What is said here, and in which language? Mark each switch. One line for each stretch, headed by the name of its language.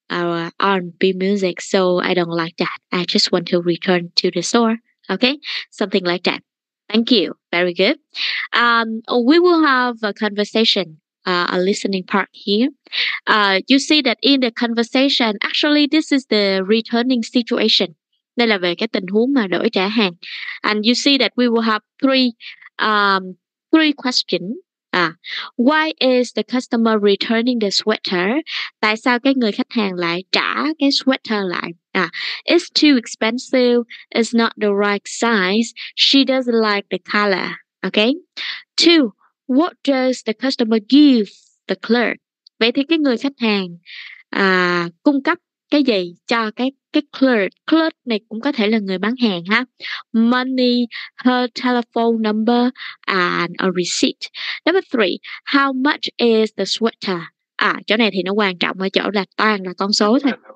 English: Our R&B music, so I don't like that. I just want to return to the store. Okay, something like that. Thank you. Very good. We will have a conversation, a listening part here. You see that in the conversation, actually, this is the returning situation.
Vietnamese: Đây là về cái tình huống mà đổi trả hàng.
English: And you see that we will have three questions. Why is the customer returning the sweater?
Vietnamese: Tại sao cái người khách hàng lại trả cái sweater lại?
English: It's too expensive. It's not the right size. She doesn't like the color. Okay. Two, what does the customer give the clerk?
Vietnamese: Vậy thì cái người khách hàng cung cấp cái gì cho cái clerk? Clerk này cũng có thể là người bán hàng ha.
English: Money, her telephone number, and a receipt. Number three, how much is the sweater?
Vietnamese: Chỗ này thì nó quan trọng ở chỗ là toàn là con số thôi.